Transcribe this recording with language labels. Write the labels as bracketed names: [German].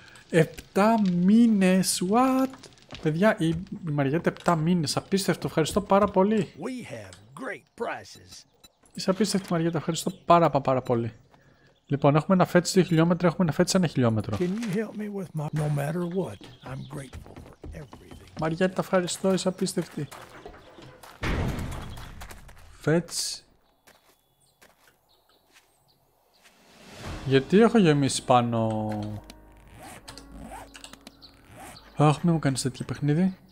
[Greek] 7 μήνες, what? Παιδιά, η Μαριέτα 7 μήνες, απίστευτο, ευχαριστώ πάρα πολύ. [English] We have great prices. [Greek] Είσαι απίστευτη, Μαριέτα, ευχαριστώ πάρα πάρα πολύ. Λοιπόν, έχουμε ένα φέτσι 2 χιλιόμετρα, έχουμε ένα φέτσι 1 χιλιόμετρο. [English] Can you help me with my... No matter what, I'm grateful for everything. [Greek] Μαριέτα, ευχαριστώ, είσαι απίστευτη. Φέτσι. Γιατί έχω γεμίσει πάνω... Αχ, μη μου κάνεις τέτοιο παιχνίδι.